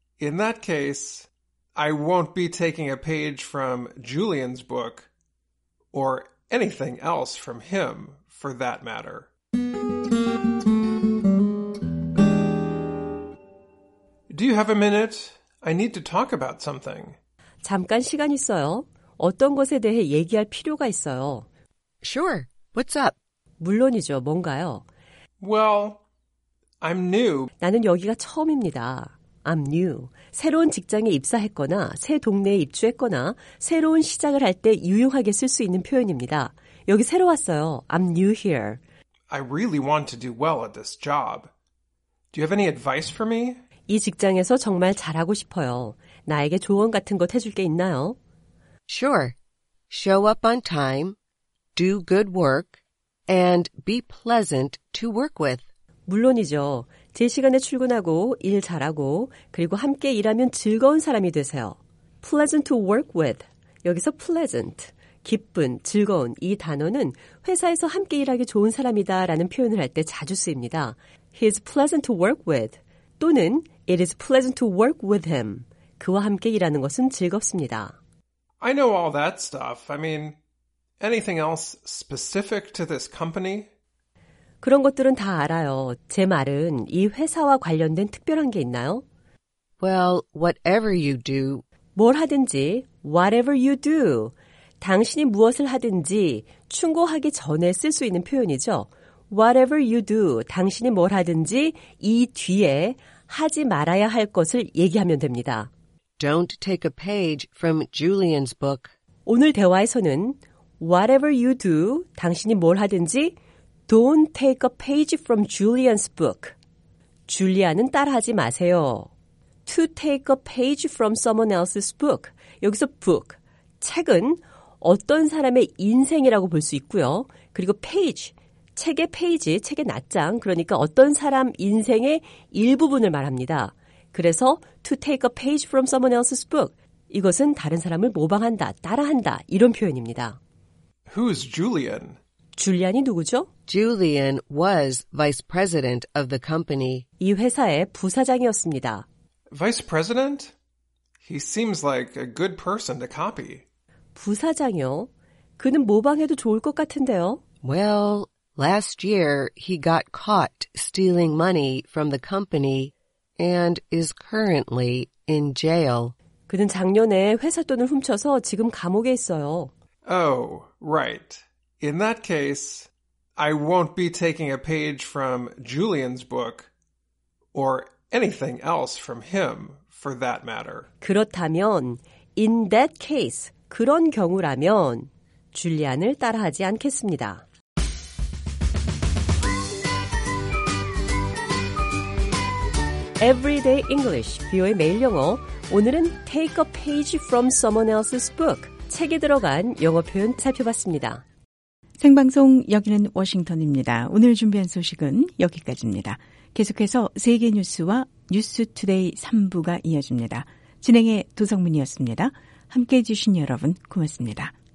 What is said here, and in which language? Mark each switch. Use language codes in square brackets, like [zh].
[en] In that case, I won't be taking a page from Julian's book or anything else from him, for that matter. 'Do you have a minute? I need to talk about something.' [ko] 잠깐 시간 있어요? 어떤 것에 대해 얘기할 필요가 있어요. [en] Sure. What's up? [ko] 물론이죠. 뭔가요? [en] Well, I'm new. [ko] 나는 여기가 처음입니다. [en] I'm new. [ko] 새로운 직장에 입사했거나 새 동네에 입주했거나 새로운 시작을 할 때 유용하게 쓸 수 있는 표현입니다. 여기 새로 왔어요. [en] I'm new here. I really want to do well at this job. Do you have any advice for me? [ko] 이 직장에서 정말 잘하고 싶어요. 나에게 조언 같은 것 해줄 게 있나요? [en] Sure. Show up on time, do good work, and be pleasant to work with. [ko] 물론이죠. 제 시간에 출근하고 일 잘하고 그리고 함께 일하면 즐거운 사람이 되세요. [en] Pleasant to work with. [ko] 여기서 pleasant, 기쁜, 즐거운 이 단어는 회사에서 함께 일하기 좋은 사람이다 라는 표현을 할 때 자주 쓰입니다. [en] He is pleasant to work with. [ko] 또는 [en] It is pleasant to work with him. [ko] 그와 함께 일하는 것은 즐겁습니다. [en] I know all that stuff. I mean, anything else specific to this company? [ko] 그런 것들은 다 알아요. 제 말은 이 회사와 관련된 특별한 게 있나요? [en] Well, whatever you do. [ko] 뭘 하든지, [en] whatever you do. [ko] 당신이 무엇을 하든지 충고하기 전에 쓸 수 있는 표현이죠. [en] Whatever you do, [ko] 당신이 뭘 하든지 이 뒤에 하지 말아야 할 것을 얘기하면 됩니다. [en] Don't take a page from Julian's book. [ko] 오늘 대화에서는 [en] whatever you do, [ko] 당신이 뭘 하든지 [en] don't take a page from Julian's book. [ko] 줄리아는 따라하지 마세요. [en] To take a page from someone else's book. [ko] 여기서 book, 책은 어떤 사람의 인생이라고 볼 수 있고요. 그리고 page, 책의 낱장, 그러니까 어떤 사람 인생의 일부분을 말합니다. 그래서 [en] to take a page from someone else's book. [ko] 이것은 다른 사람을 모방한다, 따라한다, 이런 표현입니다. [en] Who's Julian? [ko] 줄리안이 누구죠? [en] Julian was vice president of the company. [ko] 이 회사의 부사장이었습니다. [en] Vice president? He seems like a good person to copy. [ko] 부사장이요? 그는 모방해도 좋을 것 같은데요? [en] Well, last year he got caught stealing money from the company and is currently in jail. [ko] 그는 작년에 회사 돈을 훔쳐서 지금 감옥에 있어요. [en] Oh, right. In that case, I won't be taking a page from Julian's book or anything else from him, for that matter. [ko] 그렇다면, [en] in that case, [ko] 그런 경우라면 줄리안을 따라하지 않겠습니다. 에브리데이 잉글리시, 비오의 매일 영어. 오늘은 [en] take a page from someone else's book, [ko] 책에 들어간 영어 표현 살펴봤습니다. 생방송 여기는 워싱턴입니다. 오늘 준비한 소식은 여기까지입니다. 계속해서 세계 뉴스와 뉴스 투데이 3부가 이어집니다. 진행의 도성민이었습니다. 함께해 주신 여러분 고맙습니다.